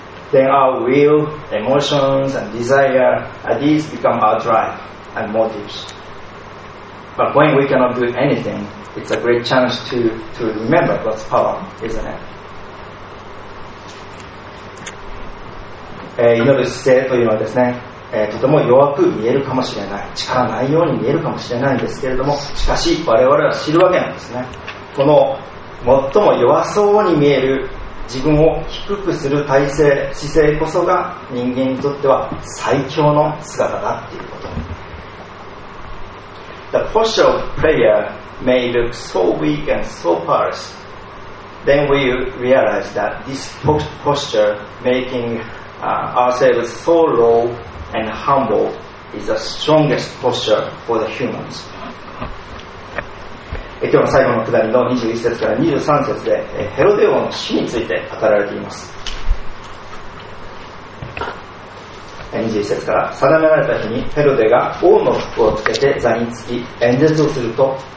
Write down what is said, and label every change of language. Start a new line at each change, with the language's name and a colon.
English: Then our will, emotions, and desire, these become our drive and motives. But when we cannot do anything,It's a great chance to remember God's power, isn't it?
Japanese: 祈る姿勢というのはですね、とても弱く見えるかもしれない、力ないように見えるかもしれないんですけれども、しかし我々は知るわけなんですね。この最も弱そうに見える自分を低くする体勢、姿勢こそが人間にとっては最強の姿だっていうこと。
English: The posture of prayerMay look so weak and so powerless, then we realize that this posture, making ourselves so low and humble, is the strongest posture for the humans.
Japanese: 今日の最後の下りの21節から23節で、ヘロデ王の死について語られています。 21節から、定められた日にヘロデが王の服を着けて座につき演説をすると、